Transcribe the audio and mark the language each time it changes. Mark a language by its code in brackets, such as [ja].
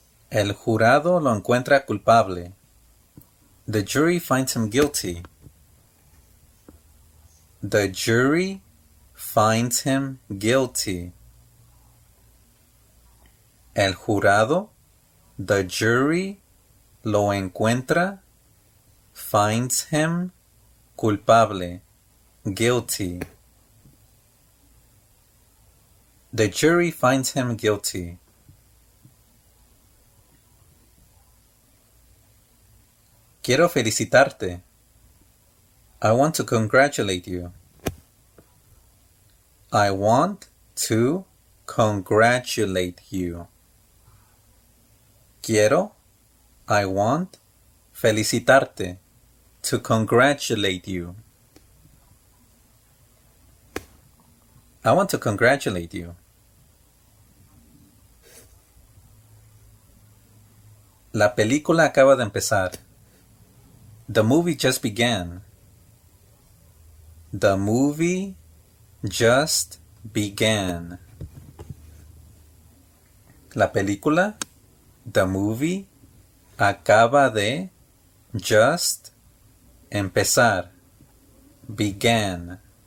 [es] El jurado lo encuentra culpable. [en] The jury finds him guilty. The jury finds him guilty. [es] El jurado, [en] the jury, [es] lo encuentra, [en] finds him [es] culpable, [en] guilty. The jury finds him guilty. [es] Quiero felicitarte. [en] I want to congratulate you. I want to congratulate you. [es] Quiero, [en] I want, [es] felicitarte, [en] to congratulate you. I want to congratulate you. [es] La película acaba de empezar. [en] The movie just began. The movie just began. [es] La película, [en] the movie, [es] acaba de, [en] just, [es] empezar, [en] began.